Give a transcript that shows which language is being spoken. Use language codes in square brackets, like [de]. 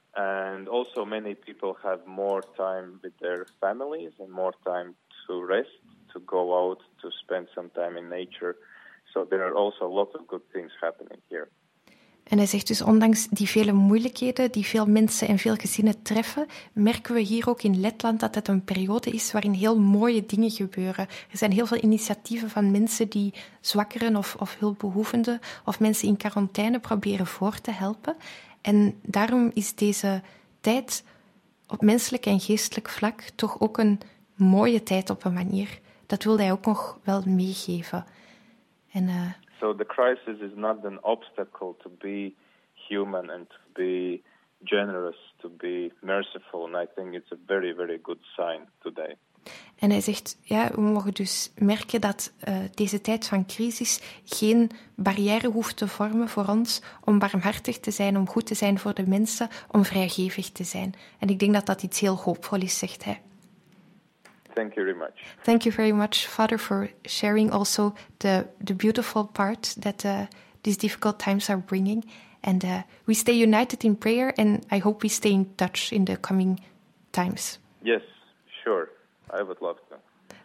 [en] And also many people have more time with their families and more time to rest, to go out, to spend some time in nature. So there are also a lot of good things happening here. [nl] En hij zegt dus, ondanks die vele moeilijkheden die veel mensen en veel gezinnen treffen, merken we hier ook in Letland dat het een periode is waarin heel mooie dingen gebeuren. Er zijn heel veel initiatieven van mensen die zwakkeren of hulpbehoevenden of mensen in quarantaine proberen voor te helpen. En daarom is deze tijd op menselijk en geestelijk vlak toch ook een mooie tijd op een manier. Dat wilde hij ook nog wel meegeven. En [en] So the crisis is not an obstacle to be human and to be generous, to be merciful. And I think it's a very, very good sign today. [nl] En hij zegt, we mogen dus merken dat deze tijd van crisis geen barrière hoeft te vormen voor ons om barmhartig te zijn, om goed te zijn voor de mensen, om vrijgevig te zijn. En ik denk dat dat iets heel hoopvol is, zegt hij. [en] Thank you very much. Thank you very much, Father, for sharing also the beautiful part that these difficult times are bringing. And we stay united in prayer, and I hope we stay in touch in the coming times. Yes, sure. I would love to.